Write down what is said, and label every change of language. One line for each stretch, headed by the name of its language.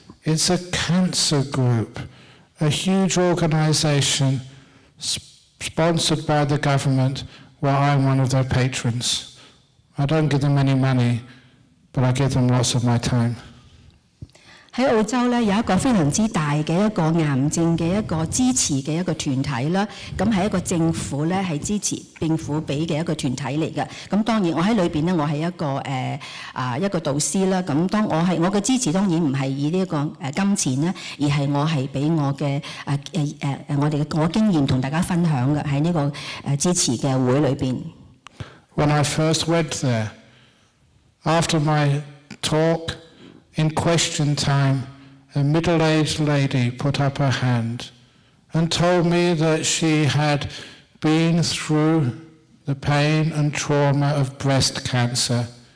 English: It's a cancer group, a huge organisation sponsored by the government. Well, I'm one of their patrons. I don't give them any money, but I give them lots of my time.
Chinese: 在澳洲有一個非常大的一個癌症的一個支持的一個團體，是一個政府是支持政府給的一個團體來的。當然我在裡面我是一個導師，當我的支持當然不是以這個金錢，而是我是給我的經驗跟大家分享的，在這個支持的會裡面。
English: When I first went there, after my talk,In question time, a middle-aged lady put up her hand and told me that she had been through the pain and trauma of breast cancer.